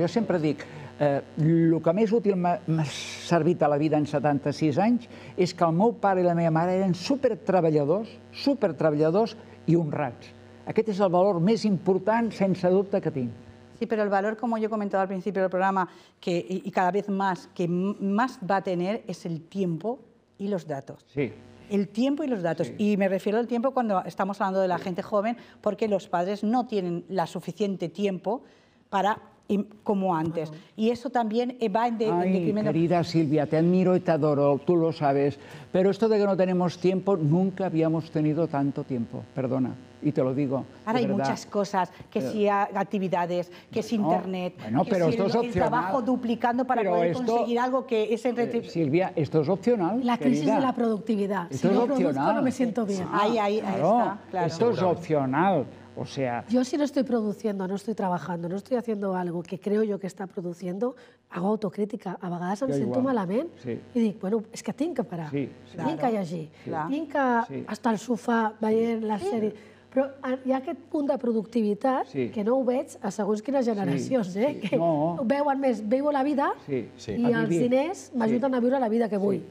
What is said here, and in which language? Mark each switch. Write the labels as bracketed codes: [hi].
[ca] Jo sempre dic, el que més útil m'ha servit a la vida en 76 anys és que el meu pare i la meva mare eren supertreballadors i honrats. Aquest és el valor més important, sense dubte, que tinc. Sí, però el valor, com jo comentava al principi del programa, i cada vegada més va tenir, és el temps i els dades. Sí. [es] El tiempo y los datos. Sí. Y me refiero al tiempo cuando estamos hablando de la gente joven, porque los padres no tienen la suficiente tiempo para como antes. Y eso también va en detrimento. Querida Silvia, te admiro y te adoro, tú lo sabes. Pero esto de que no tenemos tiempo, nunca habíamos tenido tanto tiempo. Perdona. Y te lo digo. Ahora hay muchas cosas, que si actividades, que si internet, que si el trabajo duplicando para poder conseguir algo que es en retribución. Silvia, esto es opcional. La crisis de la productividad. Si no produzco, no me siento bien. Ahí está, claro. Esto es opcional. O sea, yo si no estoy produciendo, no estoy trabajando, no estoy haciendo algo que creo yo que está produciendo, hago autocrítica. [ca] A vegades em sento malament i dic, bueno, és que tinc que parar, tinc que llegir, tinc que estar al sofà veient la sèrie. Però hi ha aquest punt de productivitat que no ho veig a segons quines generacions, que veuen més, veu la vida i els diners m'ajuden a viure la vida que vull.